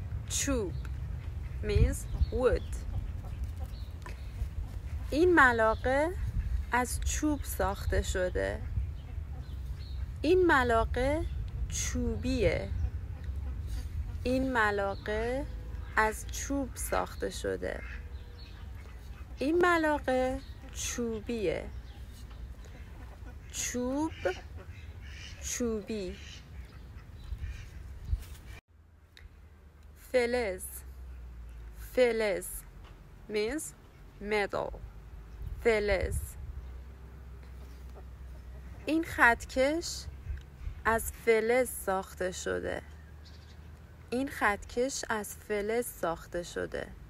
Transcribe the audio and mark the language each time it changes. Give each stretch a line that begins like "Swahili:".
English: چوب means wood.
Persian: این ملاقه از چوب ساخته شده. این ملاقه چوبیه. این ملاقه از چوب ساخته شده. این ملاقه چوبیه. چوب، چوبی.
English: فلز means metal.
Persian: فلز. این خطکش از فلز ساخته شده. این خطکش از فلز ساخته شده.